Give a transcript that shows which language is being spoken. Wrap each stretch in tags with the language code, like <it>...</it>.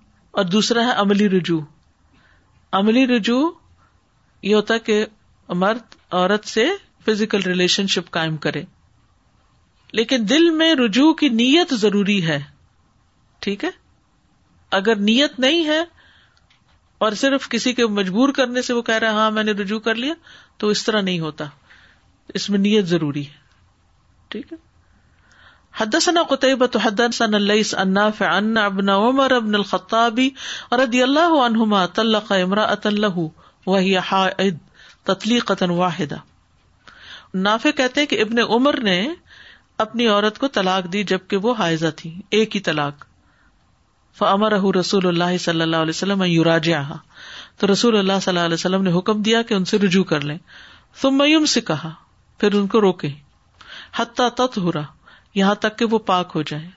<ur>اور دوسرا ہے عملی رجوع. عملی رجوع یہ ہوتا ہے کہ مرد عورت سے فزیکل ریلیشن شپ قائم کرے, لیکن دل میں رجوع کی نیت ضروری ہے, ٹھیک ہے. اگر نیت نہیں ہے اور صرف کسی کے مجبور کرنے سے وہ کہہ رہا ہے ہاں میں نے رجوع کر لیا, تو اس طرح نہیں ہوتا, اس میں نیت ضروری ہے, ٹھیک ہے.</ur> <ar>حدثنا قتيبة حدثنا الليث عن نافع عن ابن عمر بن الخطاب رضي الله عنهما طلق امراة له وهي حائض تطليقة واحدة.</ar> <ur>نافع کہتے ہیں کہ ابن عمر نے اپنی عورت کو طلاق دی جبکہ وہ حائضہ تھی, ایک ہی طلاق.</ur> <ar>فامرہ رسول اللہ صلی اللہ علیہ وسلم ان یراجعها,</ar> <ur>تو رسول اللہ صلی اللہ علیہ وسلم نے حکم دیا کہ ان سے رجوع کر لیں.</ur> <ar>ثم يمسكها,</ar> <ur>پھر ان کو روکے.</ur> <ar>حتى تطهر,</ar> <ur>یہاں تک کہ وہ پاک ہو جائیں.</ur>